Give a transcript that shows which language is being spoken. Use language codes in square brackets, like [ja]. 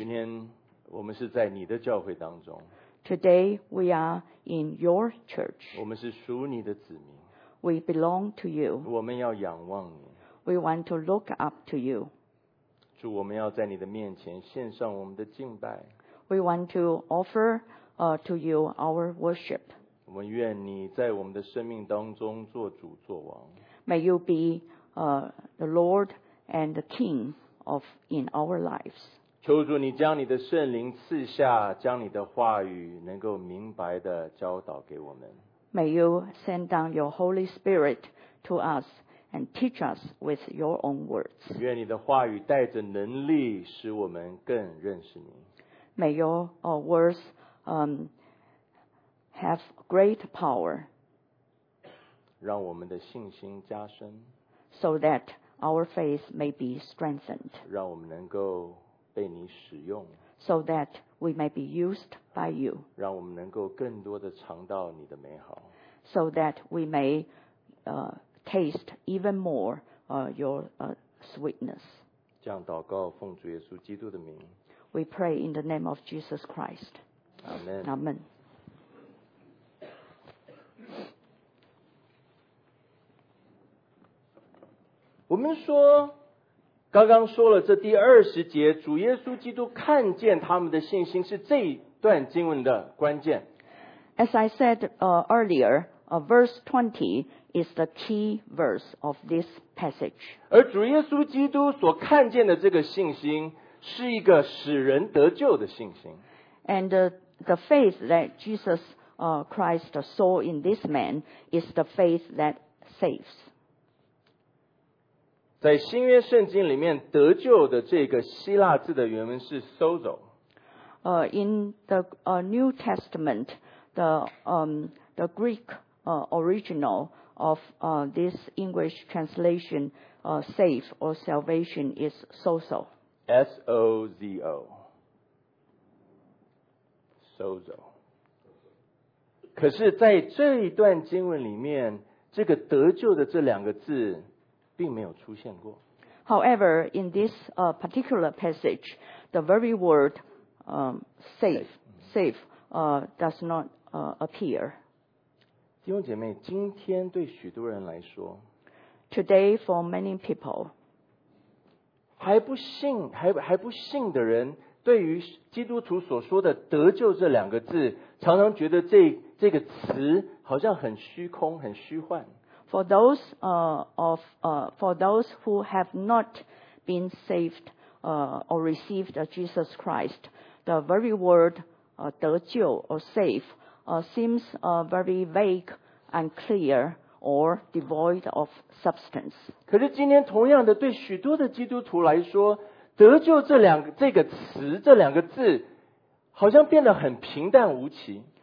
[zh] 今天我们是在你的教会当中。 [en] Today we are in your church. [zh] 我们是属你的子民。 [en] We belong to you. [zh] 我们要仰望你。 [en] We want to look up to you. [zh] 主，我们要在你的面前献上我们的敬拜。 [en] We want to offer to you our worship. [zh] 我们愿你在我们的生命当中做主做王。 [en] May you be the Lord and the King of in our lives. [zh] 求主你将你的圣灵赐下，将你的话语能够明白的教导给我们。 [en] May you send down your Holy Spirit to us. And teach us with your own words. [zh] 愿你的话语带着能力使我们更认识你。 [en] May your words have great power. [zh] 让我们的信心加深。 [en] So that our faith may be strengthened. [zh] 让我们能够被你使用。 [en] So that we may be used by you. [zh] 让我们能够更多的尝到你的美好。 [en] So that we may taste even more your sweetness. [zh] 这样祷告，奉主耶稣基督的名。 [en] We pray in the name of Jesus Christ. Amen. Amen. [zh] 我们说，刚刚说了这第二十节，主耶稣基督看见他们的信心是这一段经文的关键。 [en] As I said earlier, verse 20. Is the key verse of this passage. [zh] 而主耶稣基督所看见的这个信心是一个使人得救的信心。 [en] And the faith that Jesus Christ saw in this man is the faith that saves. [zh] 在新约圣经里面，得救的这个希腊字的原文是 sozo. [en] In the New Testament, the Greek originalOf this English translation, save or salvation is sozo. S-O-Z-O. Sozo. [zh] 可是在这一段经文里面，这个得救的这两个字并没有出现过。 [en] However, in this particular passage, the very word save does not appear. [zh] 弟兄姐妹，今天对许多人来说 [en] ，Today for many people， [zh] 还不信的人，对于基督徒所说的得救这两个字，常常觉得这个词好像很虚空、很虚幻。 [en] For those for those who have not been saved or received Jesus Christ, the very word 得救 or save seems very vague.Unclear or devoid of substance. [zh] 可是今天同样的，对许多的基督徒来说，得救这两个这个词这两个字，好像变得很平淡无奇。